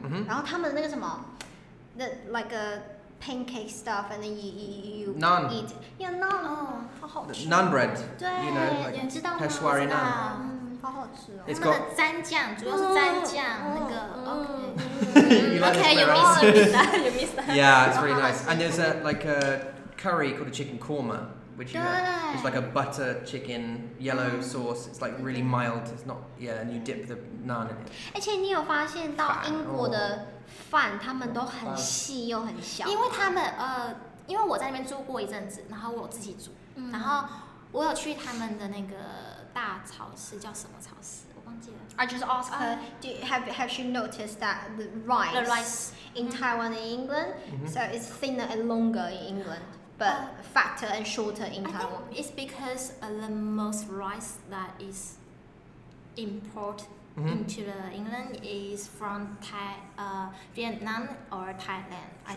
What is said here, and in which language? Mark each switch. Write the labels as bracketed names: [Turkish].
[Chinese] 然后他们那个什么，那 [English] like a pancake stuff and then you naan. Eat yeah naan [Chinese] 好好吃 [English] naan bread [Chinese] 对 [English] you know,、like、 [Chinese] 你知道吗 [English] Peshwari naan [Chinese] 好好吃哦！他们的蘸酱主要是蘸酱、那个 [English] OK，you missed that，you missed that. Yeah, it's really nice. And there's a like a curry called a chicken korma, which you have. It's like a butter chicken yellow sauce. It's like really mild. It's not yeah, and you dip the naan in it. [Chinese] 而且你有发现到英国的饭，他们都很细又很小，因为他们因为我在那边住过一阵子，然后我自己煮，然后我有去他们的那个。大超市叫什么超市？我忘记了。 [English] I just asked her, have she noticed that the rice in Taiwan and England, so it's thinner and longer in England, but fatter and shorter in Taiwan. I think it's because the most rice that is import into the England is from Vietnam or Thailand.